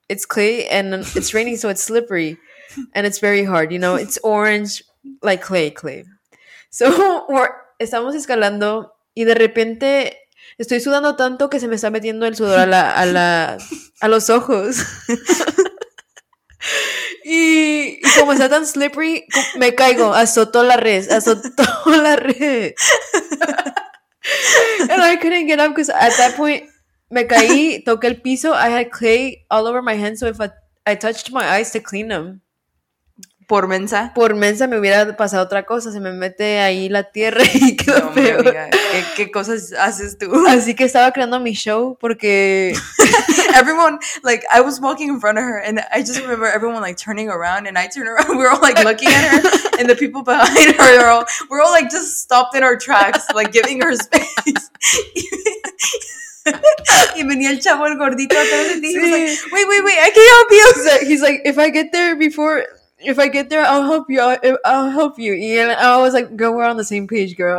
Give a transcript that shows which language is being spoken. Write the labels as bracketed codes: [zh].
[en] It's clay and it's raining, so it's slippery. And it's very hard, you know. It's orange. Like clay. [es] So estamos escalando y de repente estoy sudando tanto que se me está metiendo el sudor a los ojos. Y como está tan slippery, me caigo, azotó la red. [en] And I couldn't get up because at that point, [es] me caí, toqué el piso, [en] I had clay all over my hands, so if I touched my eyes to clean them. [es] Por mensa me hubiera pasado otra cosa, se me mete ahí la tierra y quedó peor. Hombre, amiga, ¿qué cosas haces tú? Así que estaba creando mi show porque [en] everyone, like, I was walking in front of her and I just remember everyone like turning around and I turn around, we're all like looking at her and the people behind her, we're all like just stopped in our tracks, like giving her space. [es] Y venía el chavo el gordito atrás de ti, sí. [en] He was like, wait, I can't help you. He's like, if I get there, I'll help you. And I was like, girl, we're on the same page, girl.